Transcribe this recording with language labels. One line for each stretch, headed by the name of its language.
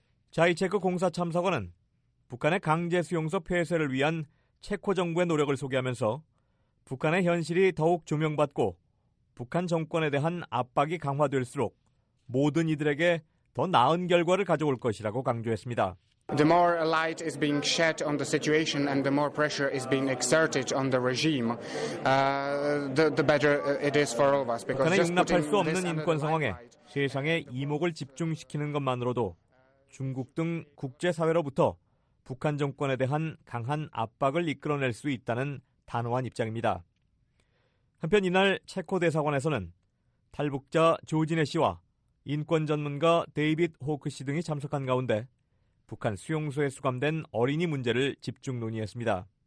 Korean: 자이체크 공사 참사관은 북한의 강제수용소 폐쇄를 위한 체코 정부의 노력을 소개하면서 북한의 현실이 더욱 조명받고 북한 정권에 대한 압박이 강화될수록 모든 이들에게 더 나은 결과를 가져올 것이라고 강조했습니다.
English: The more light is being shed on the situation and the more pressure is being exerted on the regime, the better it is for all of us. Because
Korean: 북한에 용납할 수 없는 인권 상황에 세상에 이목을 집중시키는 것만으로도 중국 등 국제사회로부터 북한 정권에 대한 강한 압박을 이끌어낼 수 있다는 단호한 입장입니다. 한편 이날 체코 대사관에서는 탈북자 조진혜 씨와 인권 전문가 데이빗 호크 씨 등이 참석한 가운데 북한 수용소에 수감된 어린이 문제를 집중 논의했습니다.